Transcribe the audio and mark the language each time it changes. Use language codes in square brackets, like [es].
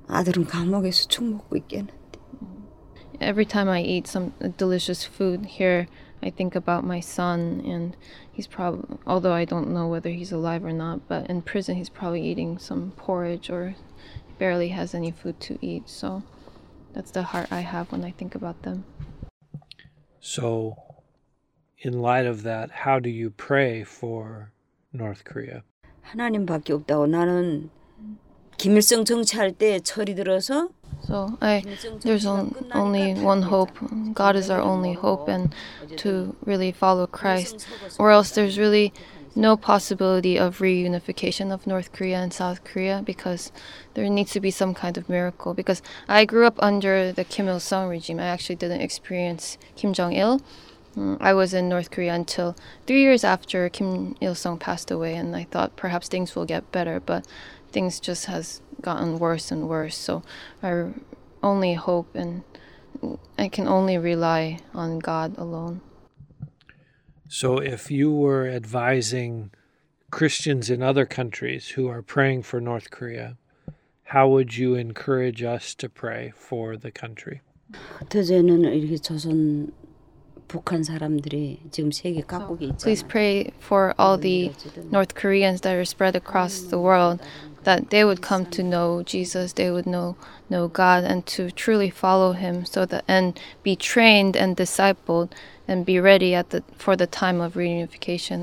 [en] Every time I eat some delicious food here, I think about my son, and he's probably, although I don't know whether he's alive or not, but in prison he's probably eating some porridge or barely has any food to eat. So that's the heart I have when I think about them. So in light of that, how do you pray for North Korea? [ko] 하나님밖에 없다고 나는 김일성 정치할 때 철이 들어서 [en] So there's only one hope. God is our only hope, and to really follow Christ, or else there's really no possibility of reunification of North Korea and South Korea, because there needs to be some kind of miracle. Because I grew up under the Kim Il-sung regime. I actually didn't experience Kim Jong-il. I was in North Korea until 3 years after Kim Il-sung passed away, and I thought perhaps things will get better, but things just has gotten worse and worse. So I only hope, and I can only rely on God alone. So if you were advising Christians in other countries who are praying for North Korea, how would you encourage us to pray for the country? [ko] 대제는 이렇게 조선 북한 사람들이 지금 세계 각국에 있잖아. [en] Please pray for all the North Koreans that are spread across the world, that they would come to know Jesus, they would know God, and to truly follow him and be trained and discipled and be ready for the time of reunification.